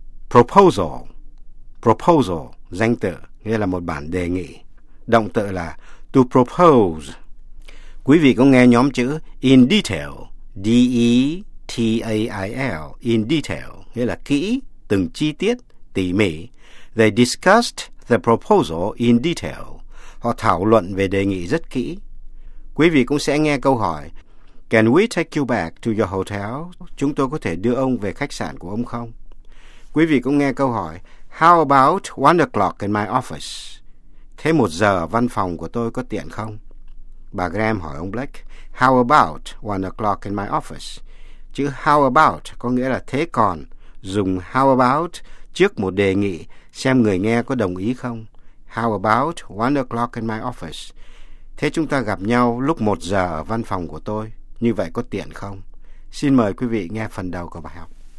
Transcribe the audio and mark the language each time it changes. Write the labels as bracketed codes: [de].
[vi] Proposal, proposal, danh từ, nghĩa là một bản đề nghị. Động từ là to propose. Quý vị có nghe nhóm chữ in detail, D-E-T-A-I-L, in detail, nghĩa là kỹ, từng chi tiết, tỉ mỉ. [en] They discussed the proposal in detail. [vi] Họ thảo luận về đề nghị rất kỹ. Quý vị cũng sẽ nghe câu hỏi, [en] can we take you back to your hotel? [vi] Chúng tôi có thể đưa ông về khách sạn của ông không? Quý vị cũng nghe câu hỏi, [en] how about 1 o'clock in my office? [vi] Thế 1 giờ văn phòng của tôi có tiện không? Bà Graham hỏi ông Blake, [en] how about 1 o'clock in my office? [vi] Chữ how about có nghĩa là thế còn. Dùng how about trước một đề nghị xem người nghe có đồng ý không. [en] How about 1 o'clock in my office? [vi] Thế chúng ta gặp nhau lúc 1 giờ ở văn phòng của tôi, như vậy có tiện không? Xin mời quý vị nghe phần đầu của bài học.